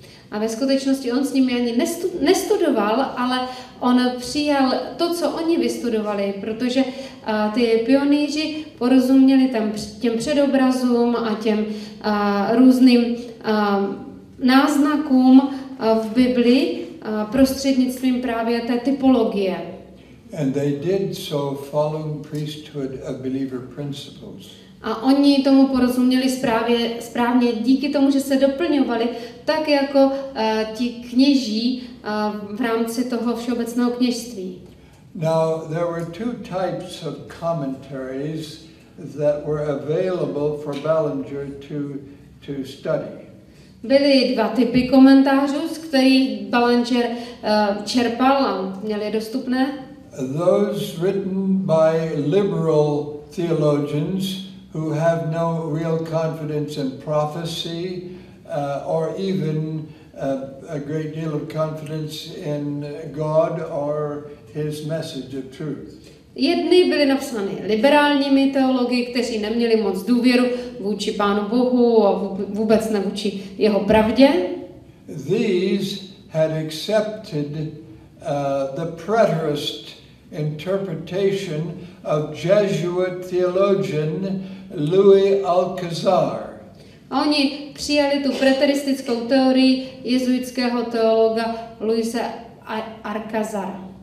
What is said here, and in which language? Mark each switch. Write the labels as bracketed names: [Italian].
[Czech] A ve skutečnosti on s nimi ani nestudoval, ale on přijal to, co oni vystudovali, protože ty pionýři porozuměli tam těm předobrazům a těm různým náznakům v Biblii prostřednictvím právě té typologie. [English] And they did so following priesthood of believer principles. [Czech] A oni tomu porozuměli správně díky tomu, že se doplňovali tak jako ti kněží v rámci toho všeobecného kněžství. [English] Now there were two types of commentaries that were available for Ballinger to study. [Czech] Byly dva typy komentářů, z kterých Ballinger čerpal a měl je dostupné. [English] Those written by liberal theologians who have no real confidence in prophecy or even a great deal of confidence in God or his message of truth. [Czech] Jedny byly napsány liberálními teologi, kteří neměli moc důvěru vůči Pánu Bohu a vůbec ne vůči jeho pravdě. [English] These had accepted the preterist interpretation of Jesuit theologian Louis Alcazar. [Czech] Oni přijali tu preteristickou teorii jezuitského teologa Louise Alcazara.